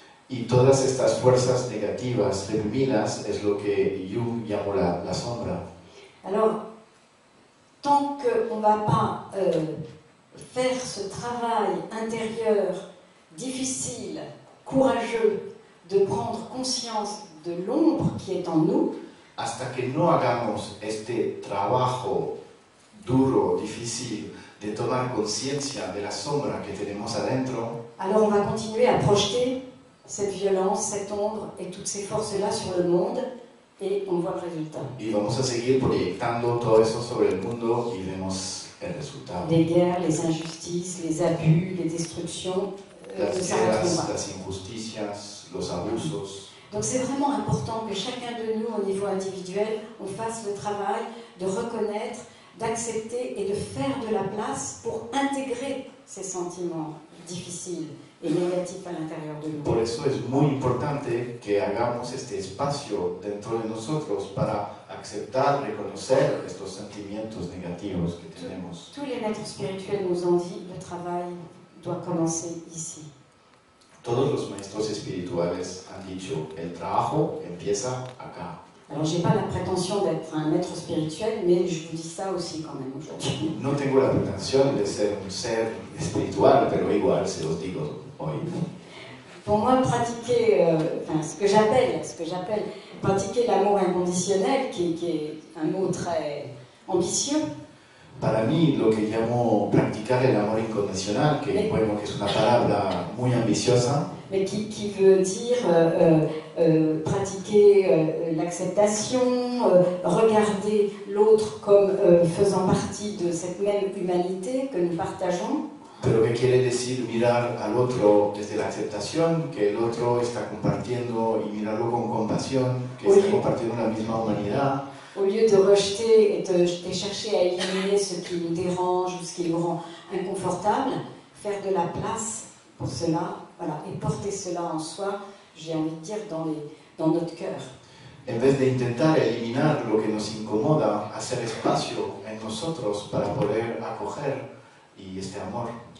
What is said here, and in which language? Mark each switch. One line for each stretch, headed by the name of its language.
Spanish: Y todas estas fuerzas negativas reprimidas es lo que Jung llamó la sombra.
French: Alors, tant qu'on ne va pas faire ce travail intérieur difficile, courageux, de prendre conscience de l'ombre qui est en nous,
Spanish: hasta que no hagamos este trabajo duro, difícil, de tomar conciencia de la sombra que tenemos adentro,
French: alors on va continuer à projeter cette violence, cette ombre et toutes ces forces-là sur le monde, et on voit le résultat.
Spanish: Y vamos a seguir proyectando todo eso sobre el mundo y vemos el resultado.
French: Les guerres, les injustices, les abus, les destructions,
Spanish: las injusticias, los abusos.
French: Donc c'est vraiment important que chacun de nous, au niveau individuel, on fasse le travail de reconnaître, d'accepter et de faire de la place pour intégrer ces sentiments difficiles et négatifs à l'intérieur de nous.
Spanish: Por eso es muy importante que hagamos este espacio dentro de nosotros para aceptar, reconocer estos sentimientos negativos que tenemos.
French: Tous les maîtres spirituels nous ont dit le travail doit commencer ici.
Spanish: Todos los maestros espirituales han dicho el trabajo empieza acá.
French: Alors j'ai pas la prétention d'être un maître spirituel, mais je vous dis ça aussi quand même aujourd'hui.
Spanish: No tengo la pretensión de ser un ser espiritual, pero igual se los digo hoy.
French: Pour moi, pratiquer, ce que j'appelle pratiquer l'amour inconditionnel, qui est un mot très ambitieux.
Spanish: Para mí, lo que llamo practicar el amor incondicional, que bueno, que es una palabra muy ambiciosa.
French: Mais qui veut dire pratiquer l'acceptation, regarder l'autre comme faisant partie de cette même humanité que nous partageons.
Spanish: Pero qué quiere decir mirar al otro desde la aceptación, que el otro está compartiendo y mirarlo con compasión, que está compartiendo la misma humanidad.
French: Au lieu de rejeter et de chercher à éliminer ce qui nous dérange ou ce qui nous rend inconfortable, faire de la place pour cela, voilà, et porter cela en soi, j'ai envie de dire, dans notre cœur.
Spanish: En vez de intentar eliminar lo que nos incomoda, hacer espacio en nosotros para poder acoger y este amor.